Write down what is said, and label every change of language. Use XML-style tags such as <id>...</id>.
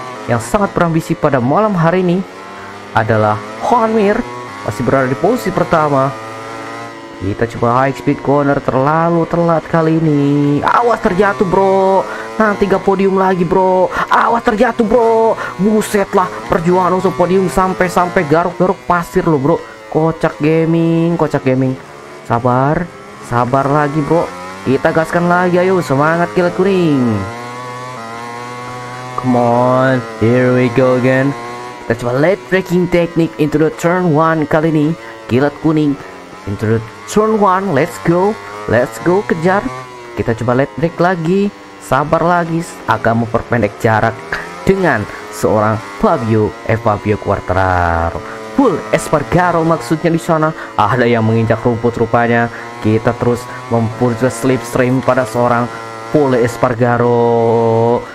<id>Yang sangat berambisi pada malam hari ini adalah Juanmir, masih berada di posisi pertama. Kita coba high speed corner, terlalu telat kali ini. Awas terjatuh bro, nanti gak podium lagi bro. Awas terjatuh bro. Buset lah, perjuangan untuk podium sampai-sampai garuk-garuk pasir lo bro. Kocak gaming, kocak gaming. Sabar, sabar lagi bro. Kita gaskan lagi, ayo semangat Kilat Kuning.</id> <en>Come on, here we go again.</en> <id>Kita coba</id> <en>lead breaking technique into the turn 1</en> <id>kali ini.</id> <en>Kilat Kuning into the turn 1, let's go. Let's go,</en> <id>kejar. Kita coba lead break lagi. Sabar lagi, agak memperpendek jarak dengan seorang Fabio Quartararo. Full Espargaro maksudnya di sana. Ada yang menginjak rumput rupanya. Kita terus mempunyai slipstream pada seorang Full Espargaro.</id>